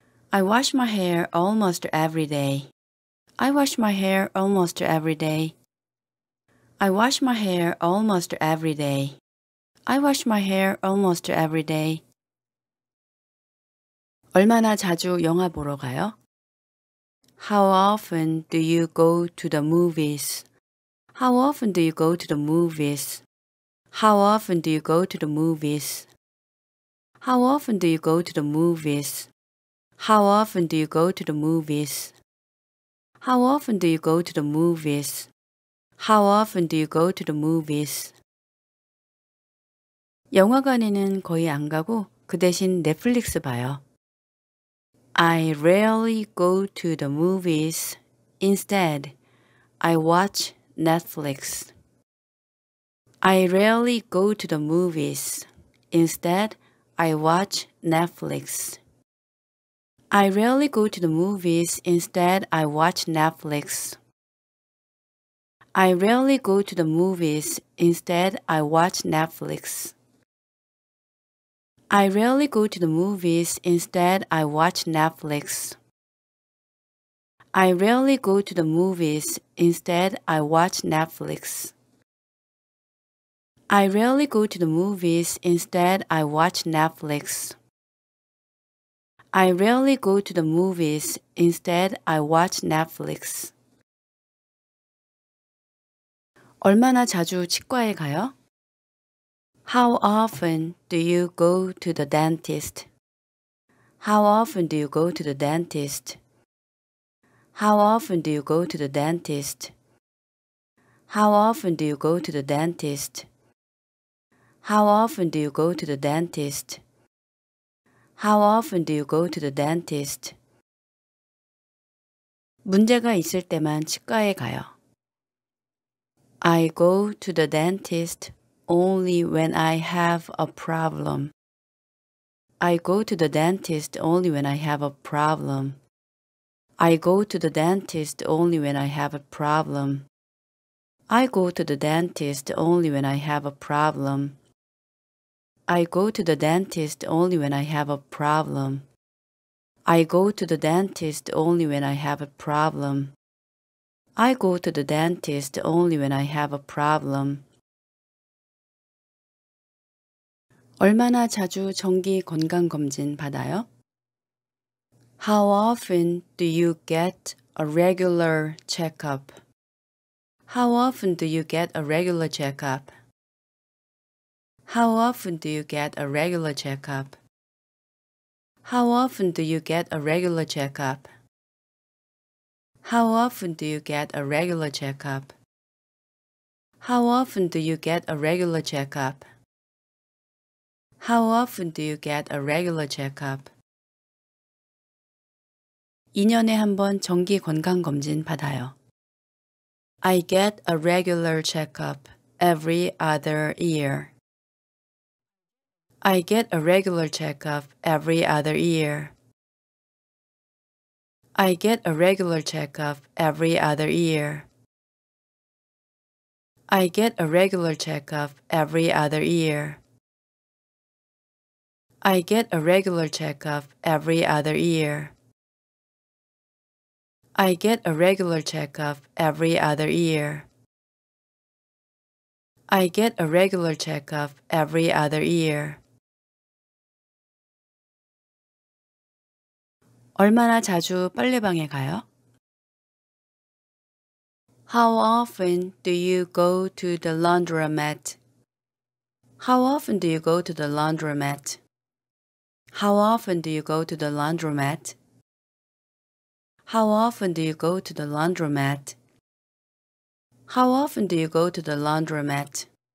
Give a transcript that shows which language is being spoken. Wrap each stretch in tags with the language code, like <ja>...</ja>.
<en>I wash my hair almost every day. I wash my hair almost every day. I wash my hair almost every day. I wash my hair almost every day.</en> <ko>얼마나 자주 영화 보러 가요?</ko> <en>How often do you go to the movies? How often do you go to the movies? How often do you go to the movies? How often do you go to the movies? How often do you go to the movies? How often do you go to the movies? How often do you go to the movies?</en> <ko>영화관에는 거의 안 가고 그 대신 넷플릭스 봐요.</ko> <en>I rarely go to the movies. Instead, I watch Netflix. I rarely go to the movies. Instead, I watch Netflix. I rarely go to the movies. Instead, I watch Netflix. I rarely go to the movies. Instead, I watch Netflix. I rarely go to the movies. Instead, I watch Netflix. I rarely go to the movies. Instead, I watch Netflix. I rarely go to the movies. Instead, I watch Netflix. I rarely go to the movies. Instead, I watch Netflix.</en> <ko>얼마나 자주 치과에 가요?</ko> <en>How often do you go to the dentist? How often do you go to the dentist? How often do you go to the dentist? How often do you go to the dentist? How often do you go to the dentist? How often do you go to the dentist?</en> <ko>문제가 있을 때만 치과에 가요.</ko> <en>I go to the dentist only when I have a problem. I go to the dentist only when I have a problem. I go to the dentist only when I have a problem. I go to the dentist only when I have a problem. I go to the dentist only when I have a problem. I go to the dentist only when I have a problem. I go to the dentist only when I have a problem.</en> <ko>얼마나 자주 정기 건강검진 받아요?</ko> <en>How often do you get a regular checkup? How often do you get a regular checkup? How often do you get a regular checkup? How often do you get a regular checkup? How often do you get a regular checkup? How often do you get a regular checkup? How often do you get a regular checkup?</en> <ko>2년에 한 번 정기 건강 검진 받아요.</ko> <en>I get a regular checkup every other year. I get a regular checkup every other year. I get a regular checkup every other year. I get a regular checkup every other year. I get a regular checkup every other year. I get a regular checkup every other year. I get a regular checkup every other year.</en> <ko>얼마나 자주 빨래방에 가요?</ko> <en>How often do you go to the laundromat? How often do you go to the laundromat? How often do you go to the laundromat? How often do you go to the laundromat? How often do you go to the laundromat?</en>